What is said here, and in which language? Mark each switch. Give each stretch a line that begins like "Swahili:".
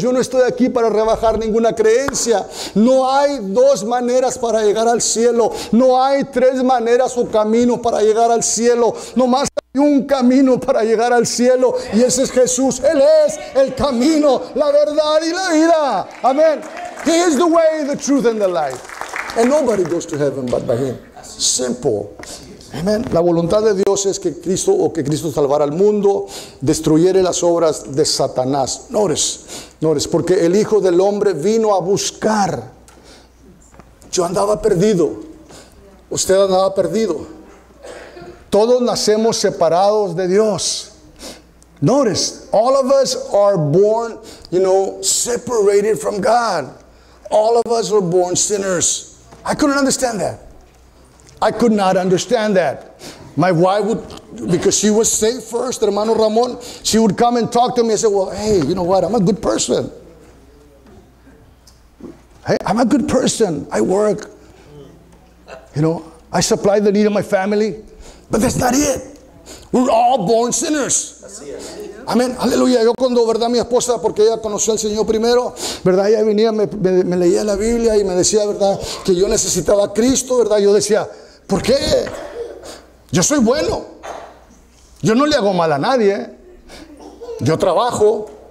Spanish: Yo no estoy aquí para rebajar ninguna creencia. No hay dos maneras para llegar al cielo. No hay tres maneras o caminos para llegar al cielo. Nomás hay un camino para llegar al cielo. Y ese es Jesús. Él es el camino, la verdad y la vida. Amén.
English: He is the way, the truth and the life. And nobody goes to heaven but by him. Simple. Amen.
Spanish: La voluntad de Dios es que Cristo, o que Cristo salvara al mundo, destruyere las obras de Satanás. Notes, porque el Hijo del Hombre vino a buscar. Yo andaba perdido. Usted andaba perdido. Todos nacemos separados de Dios.
English: Notes, all of us are born, you know, separated from God. All of us were born sinners. I couldn't understand that. I could not understand that. My wife would, because she was saved first, hermano Ramón, she would come and talk to me and say, well, hey, you know what? I'm a good person. Hey, I'm a good person. I work. You know, I supply the need of my family. But that's not it. We're all born sinners. Amén. Aleluya.
Spanish: Yo cuando, verdad, mi esposa, porque ella conoció al Señor primero, verdad, ella venía, me leía la Biblia y me decía, verdad, que yo necesitaba a Cristo, verdad, yo decía, ¿por qué? Yo soy bueno. Yo no le hago mal a nadie. Yo trabajo.